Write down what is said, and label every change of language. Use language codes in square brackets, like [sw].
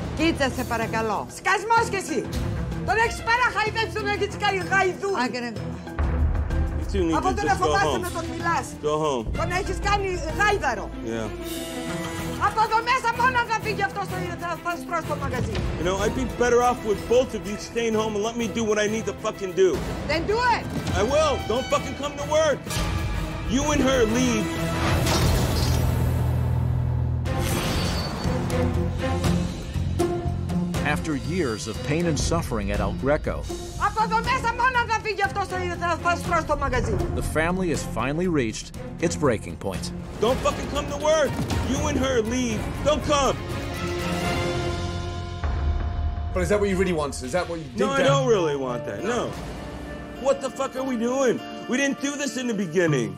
[el] Κοίτα, σε παρακαλώ. Σκασμός κι εσύ. Τον έχεις παραχαϊδέψει, τον έχεις κάνει γαϊδού. Από τον εφοβάσαι να τον μιλάς. [en] Go home. [el] Τον έχεις κάνει γάιδαρο. [en] Yeah. [el] Από εδώ μέσα μόνο θα φύγει αυτός το ήρθε, θα σπρώσει το μαγαζί. [en] You know, I'd be better off with both of you staying home and let me do what I need to fucking do. Then do it. I will. Don't fucking come to work. You and her leave. After years of pain and suffering at El Greco, [el] από εδώ μέσα μόνο θα φύγει αυτός το ήρθε, θα σπρώσει το μαγαζί. [en] The family has finally reached its breaking point. Don't fucking come to work. You and her leave. Don't come. But is that what you really want? Is that what you did? No, I don't really want that. No. What the fuck are we doing? We didn't do this in the beginning.